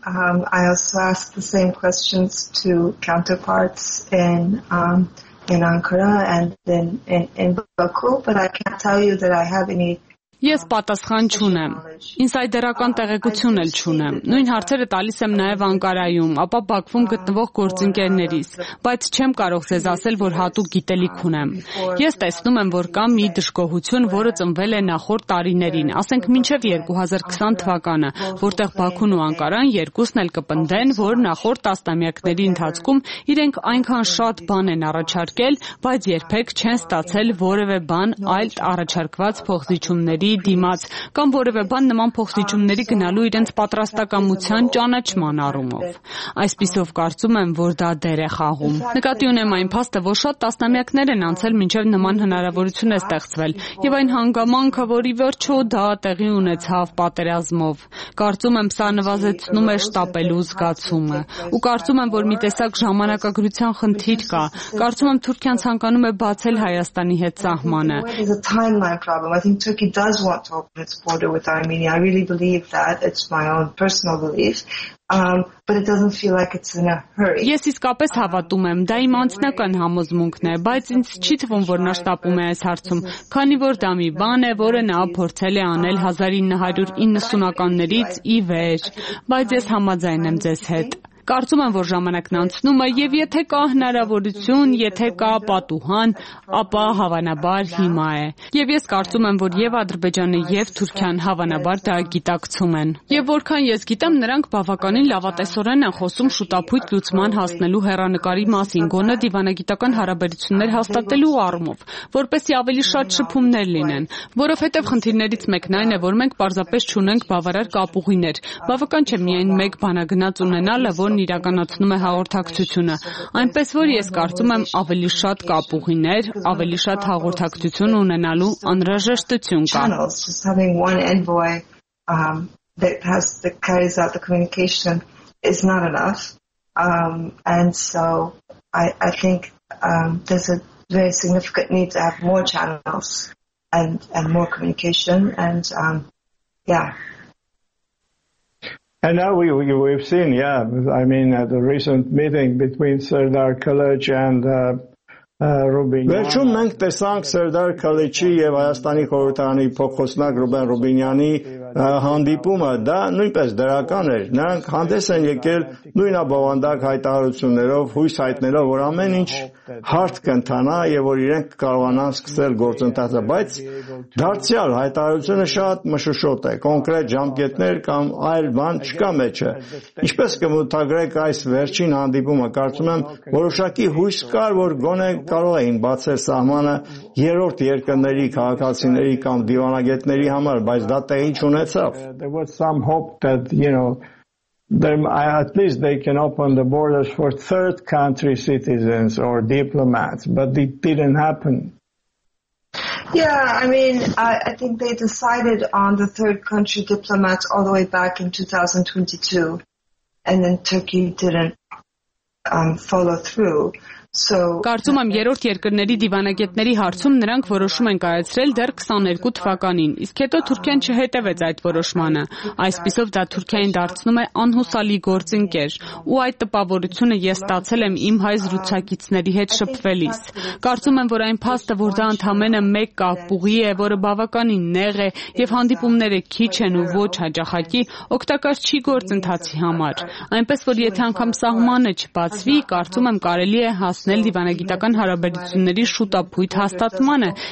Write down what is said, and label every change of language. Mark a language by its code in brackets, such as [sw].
[en] I also asked the same questions to counterparts in Ankara and in Baku, but I can't tell you that I have any. [hy] Ես պատասխան չունեմ, ինսայդերական տեղեկություն էլ չունեմ, նույն հարցերը տալիս եմ նաև Անկարայում, ապա Բաքվում գտնվող գործընկերներիս, բայց չեմ կարող ձեզ ասել, որ հատուկ գիտելիք ունեմ։ Ես տեսնում եմ, որ կա մի դժգոհություն, որը ծնվել է նախորդ տարիներին, ասենք մինչև 2020 թվականը, որտեղ Բաքուն ու Անկարան երկուսն էլ կպնդեն, որ նախորդ տասնամյակների ընթացքում իրենք այնքան շատ բան են առաջարկել, բայց երբեք չեն ստացել որևէ բան այլ առաջարկված փոխզիջումների դիմաց, կամ որևէ բան նման փոխտիջումների գնալու իրենց պատրաստակամության ճանաչման առումով։ Այսպիսով կարծում եմ, որ դա դեր է խաղում։ Նկատի ունեմ այն փաստը, որ շատ տասնամյակներ են անցել, մինչև նման հնարավորություն է ստեղծվել, և այն հանգամանքը, որի վերջո դա տեղի ունեցավ պատերազմով։ Կարծում եմ, սա նվազեցնում է շտապելու զգացումը, ու կարծում եմ, որ մի տեսակ ժամանակագրության խնդիր կա։ Կարծում եմ, Թուրքիան ցանկանում է բացել Հայաստանի հետ սահմանը։ [en] He does want to open its border with Armenia. I really believe that. It's my own personal belief. But it doesn't feel like it's in a hurry. [hy] Ես իսկապես հավատում եմ, դա իմ անձնական համոզմունքն է, բայց ինձ չի թվում, որ նա շտապում է այս հարցում, քանի որ դա մի բան է, որը նա փորձել է անել 1990-ականներից ի վեր, բայց ես համաձայն եմ ձեզ հետ։ Կարծում եմ, որ ժամանակն անցնում է, եւ եթե կա հնարավորություն, եթե կա պատուհան, ապա հավանաբար հիմա է։ Եվ ես կարծում եմ, որ եւ Ադրբեջանը, եւ Թուրքիան հավանաբար դա գիտակցում են։ Եվ որքան ես գիտեմ, նրանք բավականին լավատեսորեն են խոսում շուտափույթ լուծման հասնելու հեռանկարի մասին, գոնե դիվանագիտական հարաբերություններ հաստատելու առումով, որպեսզի ավելի շատ շփումներ լինեն, որովհետեւ խնդիրներից մեկն այն է, որ մենք պարզապես չունենք բավարար կապուղիներ։ Բավական չէ միայն մեկ բանագնաց ունենալը, որն իրականացնում է հաղորդակցությունը, այնպես որ ես կարծում եմ, ավելի շատ կապուղիներ, ավելի շատ հաղորդակցություն ունենալու անհրաժեշտություն կա։ [en] That has that carries out the communication is not enough, and so I think there's a very significant need to have more channels and more communication and And now we've seen the recent meeting between Serdar Kılıç and. [hy] Վերջում մենք տեսանք Սերդար Քալիչի եւ Հայաստանի խորհրդարանի փոխոսնակ Ռուբեն Ռուբինյանի հանդիպումը, դա նույնպես դրական էր։ Նրանք հանդես են եկել նույն ավանդակ հայտարարություններով, հույս հայտնելով, որ ամեն ինչ հարթ կընթանա եւ որ իրենք կարողանան սկսել գործընթացը, բայց դարձյալ հայտարարությունը շատ մշուշոտ է, կոնկրետ ժամկետներ կամ այլ բան չկա մեջը։ Ինչպես կմտագրեք այս վերջին հանդիպումը, կարծում եմ որոշակի հույս կար, որ գոնե կարող էին բացել սահմանը երրորդ երկրների քաղաքացիների կամ դիվանագետների համար, բայց դա տեղի չունեցավ։ [en] There was some hope that, you know, at least they can open the borders for third country citizens or diplomats, but it didn't happen. Yeah, I mean, I think they decided on the third country diplomats all the way back in 2022, and then Turkey didn't follow through. [hy] Կարծում եմ երրորդ երկրների դիվանագետների հարցում նրանք որոշում են կայացրել դեռ 22 թվականին, իսկ հետո Թուրքիան չհետևեց այդ որոշմանը։ Այսպիսով դա Թուրքիային դարձնում է անհուսալի գործընկեր, ու այդ տպավորությունը ես ստացել եմ իմ հայ զրուցակիցների հետ շփվելիս։ Կարծում եմ, որ այն փաստը, որ դա ընդամենը մեկ կապուղի է, որը բավականին նեղ է եւ հանդիպումները քիչ են ու ոչ հաջողակի, օգտակար չի գործընթացի համար։ Այնպես որ եթե անգամ սահմանը չբացվի, կարծում եմ կարելի է հասնել դիվանագիտական հարաբերությունների շուտափույթ հաստատմանը,